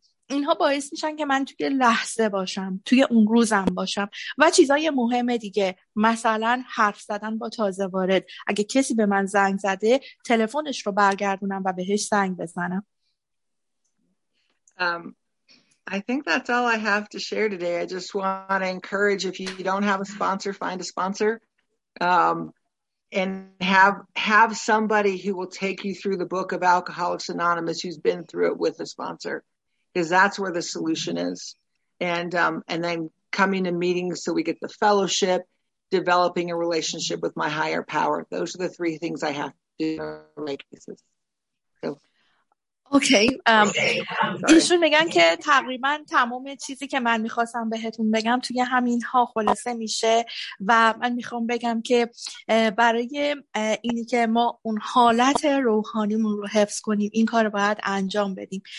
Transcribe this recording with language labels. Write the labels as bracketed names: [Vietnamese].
[Persian] اینها باعث میشن که من توی لحظه باشم، توی اون روزم باشم. و چیزای مهم دیگه، مثلا حرف زدن با تازه وارد، اگه کسی به من زنگ زده تلفنش رو برگردونم و بهش زنگ بزنم. [English] I think that's all I have to share today. I just want to encourage, if you don't have a sponsor, find a sponsor, and have somebody who will take you through the book of Alcoholics Anonymous who's been through it with a sponsor. because that's where the solution is. And then coming to meetings so we get the fellowship, developing a relationship with my higher power. Those are the three things I have to do in my cases. [Persian] اوکی ایشون میگن که تقریبا تمام چیزی که من میخواستم بهتون بگم توی همین ها خلاصه میشه و من میخوام بگم که برای اینی که ما اون حالت روحانیمون رو حفظ کنیم این کار باید انجام بدیم.